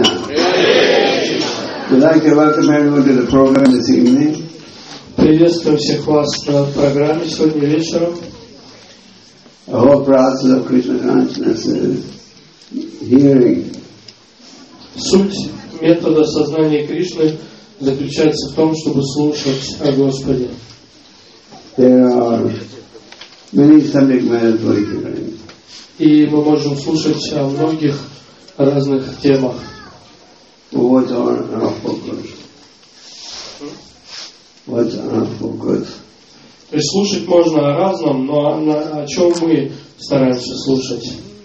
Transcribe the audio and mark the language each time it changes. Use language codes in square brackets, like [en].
[en] We'd like to welcome everyone to the program this evening. [ru] Приветствую всех вас на программе сегодня вечером. [en] The whole process of Krishna consciousness is hearing. [ru] Суть метода сознания Кришны заключается в том, чтобы слушать о Господе. [en] There are many subject matters we can learn. [ru] И мы можем слушать о многих разных темах. [en] What are our focus? What's our focus? [ru] То есть слушать можно о разном, но о чем мы стараемся слушать?